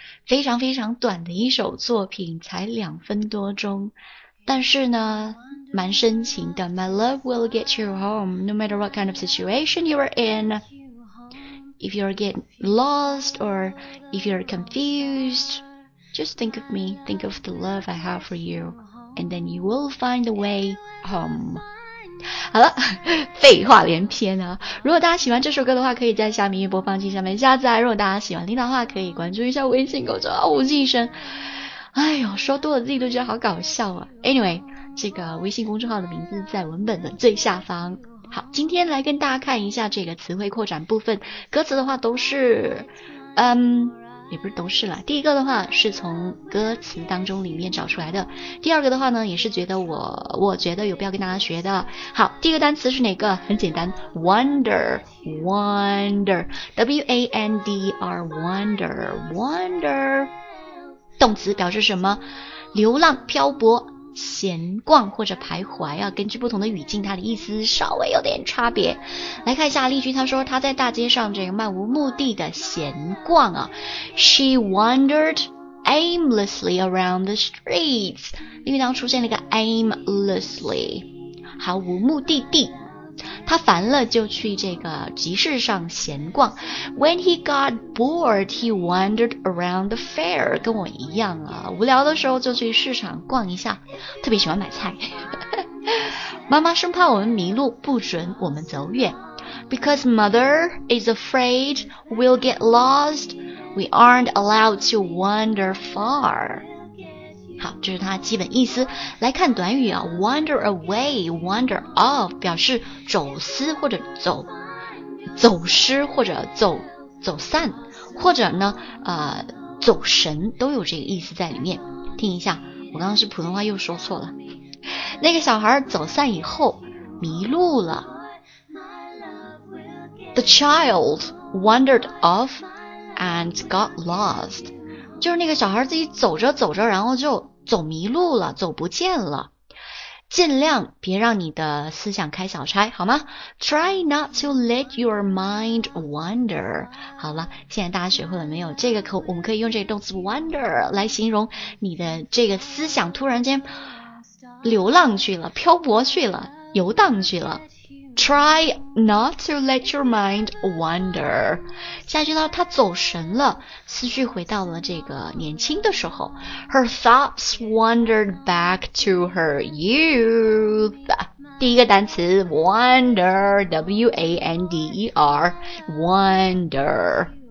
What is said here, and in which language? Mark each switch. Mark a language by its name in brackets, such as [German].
[Chinese] 非常非常短的一首作品，才两分多钟，但是呢蛮深情的。 [English] My love will get you home, no matter what kind of situation you are in. If you're getting lost or if you're confused, just think of me, think of the love I have for you, and then you will find the way home. [Chinese] 好了，废话连篇啊，如果大家喜欢这首歌的话，可以在下面播放器下面下载。如果大家喜欢听的话，可以关注一下微信公众号无尽声。哎呦，说多了自己都觉得好搞笑啊。Anyway， 这个微信公众号的名字在文本的最下方。好，今天来跟大家看一下这个词汇扩展部分。歌词的话都是也不是都是啦，第一个的话是从歌词当中里面找出来的，第二个的话呢也是觉得有必要跟大家学的。好，第一个单词是哪个？很简单， wonder wonder w-a-n-d-r wonder wonder， 动词表示什么？流浪漂泊闲逛或者徘徊啊，根据不同的语境它的意思稍微有点差别。来看一下例句，他说他在大街上这个漫无目的的闲逛啊。 [English] She wandered aimlessly around the streets， [Chinese] 例句当中出现了一个 aimlessly， 毫无目的地，他烦了就去这个集市上闲逛。 [English] When he got bored, he wandered around the fair， [Chinese] 跟我一样啊，无聊的时候就去市场逛一下，特别喜欢买菜。妈妈生怕我们迷路，不准我们走远。 [English] Because mother is afraid we'll get lost, we aren't allowed to wander far。 [Chinese] 好，这是它基本意思。来看短语啊， [English] wander away, wander off [Chinese] 表示走失或者走散或者呢走神，都有这个意思在里面。听一下，我刚刚是普通话又说错了。那个小孩走散以后迷路了。 [English] The child wandered off and got lost， [Chinese] 就是那个小孩自己走着走着然后就走迷路了，走不见了。尽量别让你的思想开小差，好吗？ [English] Try not to let your mind wander。 [Chinese] 好了，现在大家学会了没有？这个我们可以用这个动词 wander 来形容你的这个思想突然间流浪去了，漂泊去了，游荡去了。 [English] Try not to let your mind wander. [Chinese] 下句到他走神了，思绪回到了这个年轻的时候。 [English] Her thoughts wandered back to her youth. [Chinese] 第一个单词 [English] wander, W-A-N-D-E-R, wander.